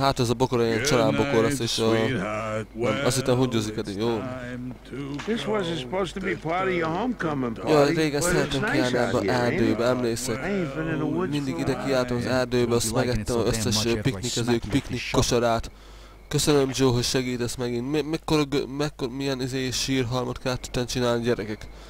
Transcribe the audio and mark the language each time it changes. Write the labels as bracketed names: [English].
[Hungarian] Hát ez a bokor ilyen családbokor lesz, és azt hittem hundyozik Eddie, jó? [English] This wasn't supposed to be part of your homecoming party. [Hungarian] Jó, régen szeretem kiállni ebbe az erdőbe, emlékszek. Mindig ide kiálltam az erdőbe, azt megettem az összes piknikezők piknik kosarát. Köszönöm, Joe, hogy segítesz megint. Milyen sírhalmot kellett csinálni, gyerekek?